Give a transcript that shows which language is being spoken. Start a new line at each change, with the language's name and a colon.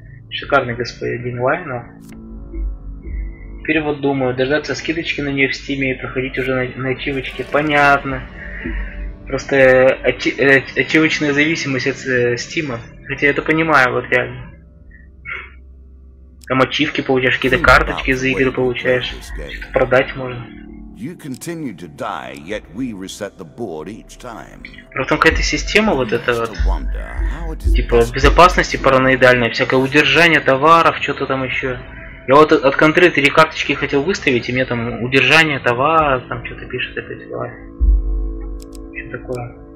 Russian: Шикарный господин Вайно. Теперь вот думаю, дождаться скидочки на нее в стиме и проходить уже на ачивочке. Понятно. Просто ачивочная зависимость от стима. Хотя я это понимаю, вот реально. Там ачивки получаешь, какие-то карточки за игры получаешь. Что-то продать можно.
English: You continue to die, yet we reset the board each time.
Russian: Потом какая-то система вот эта вот, типа безопасности параноидальная, всякое удержание товаров, что-то там еще. Я вот от контры три карточки хотел выставить, и мне там удержание товара, там что-то пишет опять. Что такое?